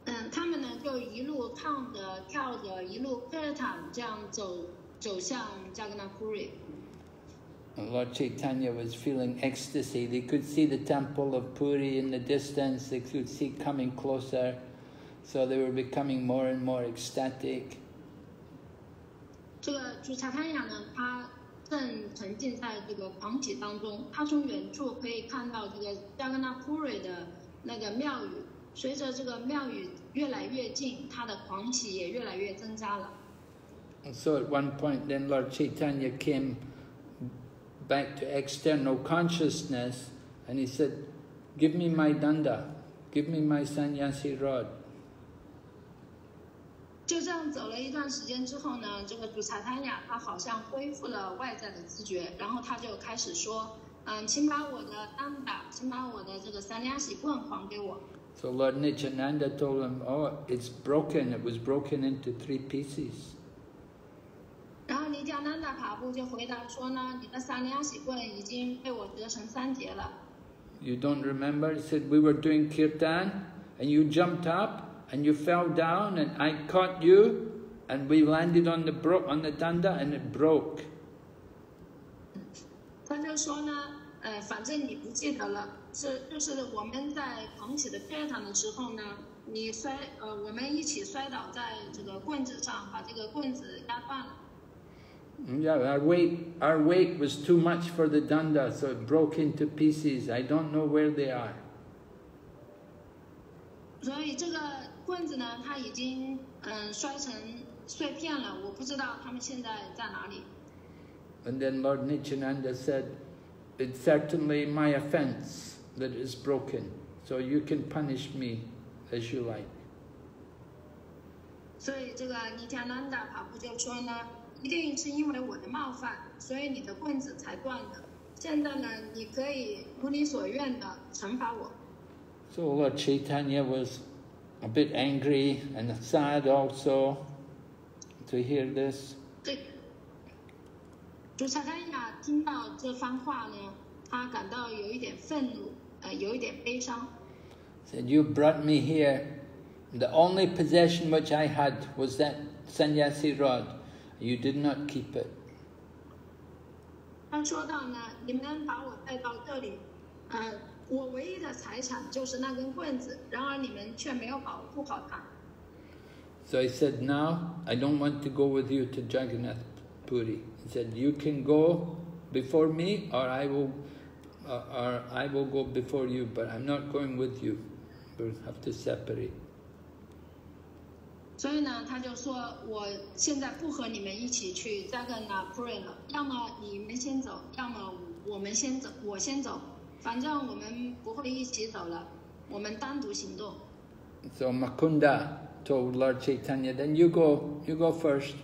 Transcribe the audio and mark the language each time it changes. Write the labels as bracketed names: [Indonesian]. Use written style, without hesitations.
[Chinese] 他们呢就一路唱着跳着，一路 kirtan 这样走向 Jagannath Puri。 [English] Lord Chaitanya was feeling ecstasy. They could see the temple of Puri in the distance. They could see coming closer. So they were becoming more and more ecstatic. [Chinese] 这个主查坦雅呢，他正沉浸在这个狂喜当中。他从远处可以看到这个加格纳普瑞的那个庙宇。随着这个庙宇越来越近，他的狂喜也越来越增加了。 [English] So at one point, then Lord Chaitanya came. Back to external consciousness, and he said, "Give me my danda, give me my sannyasi rod." [Chinese] 就这样走了一段时间之后呢，这个主查坦雅他好像恢复了外在的知觉，然后他就开始说，请把我的danda，请把我的这个sannyasi棍还给我。 [English] So Lord Nityananda told him, "Oh, it's broken. It was broken into three pieces." [Chinese] 然后尼加南达卡布就回答说呢，你的三两喜棍已经被我折成三节了。 [English] You don't remember? He said, "We were doing kirtan, and you jumped up, and you fell down, and I caught you, and we landed on the broke on the danda, and it broke." [Chinese] 他就说呢，反正你不记得了，就是我们在狂喜的 kirtan 的时候呢，我们一起摔倒在这个棍子上，把这个棍子压断了。 [English] Yeah, our weight was too much for the danda, so it broke into pieces. I don't know where they are. [Chinese] 所以这个棍子呢，它已经摔成碎片了，我不知道它们现在在哪里。 [English] And then Lord Nityananda said, "It's certainly my offense that is broken, so you can punish me as you like." [Chinese] 所以这个尼加南达跑步就说呢，一定是因为我的冒犯，所以你的棍子才断的。现在呢，你可以如你所愿的惩罚我。 [English] So Lord Chaitanya was a bit angry and sad also to hear this. [Chinese] 对，主差太呀，听到这番话呢，他感到有一点愤怒，有一点悲伤。 [English] Said you brought me here. The only possession which I had was that sannyasi rod. You did not keep it. [Chinese] 他说到呢，你们把我带到这里，我唯一的财产就是那根棍子，然而你们却没有保护好它。 [English] So he said, "Now I don't want to go with you to Jagannath Puri." He said, "You can go before me, or I will go before you, but I'm not going with you. We'll have to separate." [Chinese] 所以呢，他就说，我现在不和你们一起去 Jagannath Puri 了，要么你们先走，要么我们先走，我先走。反正我们不会一起走了，我们单独行动。 [English] So Mukunda told Lord Chaitanya, "Then you go first.